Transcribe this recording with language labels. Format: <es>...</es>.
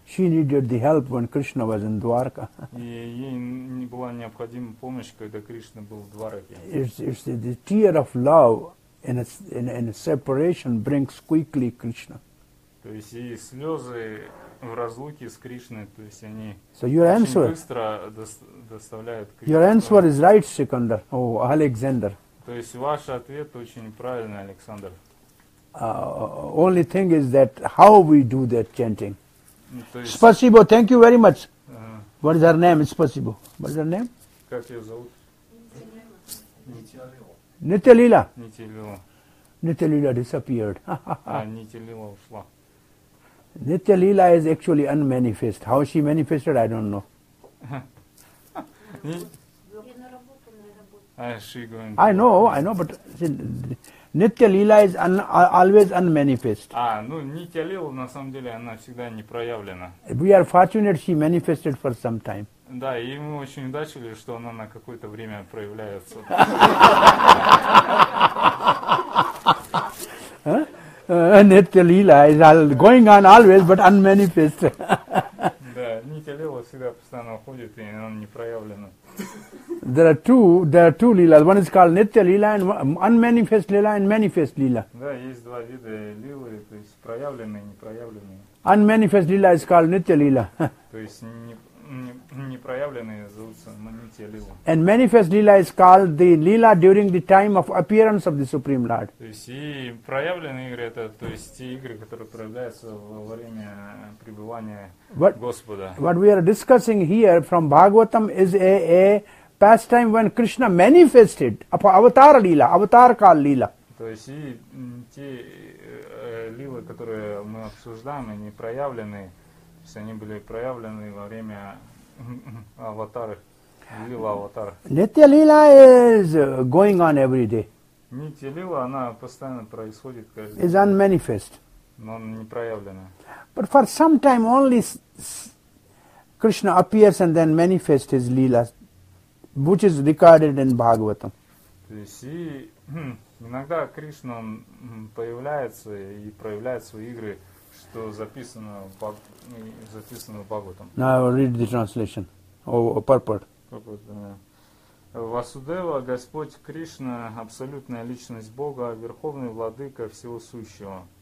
<en>She needed the help when Krishna was in Dwarka.</en> <ru>И ей не была необходима помощь, когда Кришна был в Двараке.</ru> <en>It's the tear of love in a separation brings quickly Krishna.</en> <ru>То есть и слезы в разлуке с Кришной, то есть они</ru> <en>so your answer,</en> <ru>очень быстро доставляют Кришну.</ru> <en>Your answer is right, Sikandar. Oh, Alexander.</en> <ru>То есть ваш ответ очень правильный, Александр.</ru> <en>Only thing is that how we do that chanting.</en> <ru>Спасибо,</ru> <en>thank you very much. What is her name? Спасибо. What is her name?</en> <ru>Как ее зовут? Нитилила. Нитилила.</ru> <en>Нитилила disappeared.</en> <ru>Нитилила ушла.</ru> <en>Нитилила is actually unmanifest. How she manifested, I don't know. I know, but Нитилила is always unmanifest.</en> <ru>Нитилила, на самом деле, она всегда не проявлена.</ru> <en>We are fortunate she manifested for some time.</en> <ru>Да, и мы очень удачливы, что она на какое-то время проявляется.</ru> <en>Нитилила is going on always, but unmanifest.</en> <ru>Да, Нитилила всегда постоянно уходит, и она не проявлена.</ru> <en>There are two lilas. One is called Nitya Lila and unmanifest Lila and manifest Lila.</en> <ru>Да, есть два вида лилы, то есть проявленные и непроявленные.</ru> <en>Unmanifest Lila is called Nitya Lila.</en> <ru>То есть непроявленные зовутся Nitya Lila.</ru> <en>And manifest Lila is called the Lila during the time of appearance of the Supreme Lord.</en> <ru>То есть и проявленные игры это, то есть те игры, которые проявляются во время пребывания Господа.</ru> <en>What we are discussing here from Bhagavatam is a pastime when Krishna manifested avatar lila, avatar kal lila.</en> <ru>То есть и те лилы, которые мы обсуждаем, они проявлены, то есть они были проявлены во время аватары, лила аватар.</ru> <en>Nitya lila is going on every day.</en> <ru>Nitya lila, она постоянно происходит каждый день.</ru> <en>Is unmanifest.</en> <ru>Но она не проявлена.</ru> <en>But for some time only Krishna appears and then manifests his lila. Which is recorded in Bhagavatam.</en> <ru>То есть, иногда Кришна появляется и проявляет свои игры, что записано в Бхагаватам.</ru> <en>Now read the translation. Purport.</en> <ru>Васудева, Господь Кришна, абсолютная личность Бога, верховный владыка всего сущего.</ru>